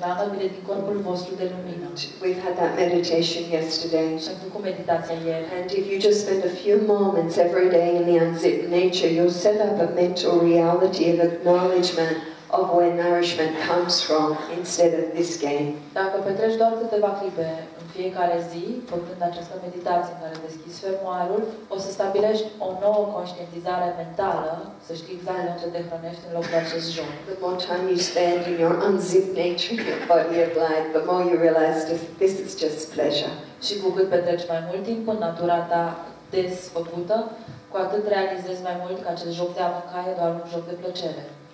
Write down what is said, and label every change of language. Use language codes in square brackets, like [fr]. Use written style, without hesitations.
[en] We've had that meditation yesterday. And if you just spend a few moments every day in the unzipped nature, you'll set up a mental reality of acknowledgement of where nourishment comes from instead of this game. [ro] Dacă petreci doar câteva clipe în fiecare zi, făcând această meditație în care deschizi fermoarul, o să stabilești o nouă conștientizare mentală, să știi exact de unde te hrănești în loc de acest joc. [en] The more time you spend in your unzipped nature, your body of light, the more you realize this is just pleasure. [ro] Și cu cât petreci mai mult timp în natura ta desfăcută, cu atât realizezi mai mult că acest joc de a mânca e doar un joc de plăcere.